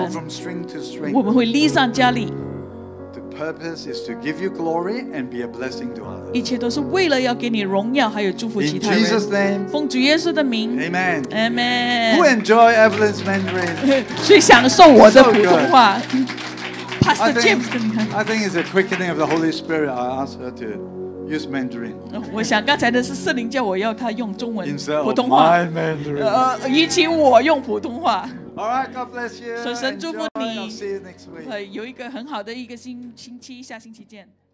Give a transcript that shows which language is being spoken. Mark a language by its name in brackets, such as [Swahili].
[English] And we'll go from strength to strength. [Chinese] 我们会力上加力。 [English] The purpose is to give you glory and be a blessing to others. [Chinese] 一切都是为了要给你荣耀，还有祝福其他人。 [English] In Jesus' name. [Chinese] 奉主耶稣的名。 [English] Amen. Amen. Who enjoy Evelyn's Mandarin? [Chinese] 谁享受我的普通话？ [English] I think it's a quickening of the Holy Spirit. I asked her to use Mandarin. [Chinese] 我想刚才的是圣灵叫我要她用中文普通 [English] 话。My Mandarin. [Chinese] 以及我用普通话。 [English] All right, God bless you. [Chinese] 神祝福你。 [English] I'll see you next week. [Chinese] 有一个很好的一个星期，下星期见。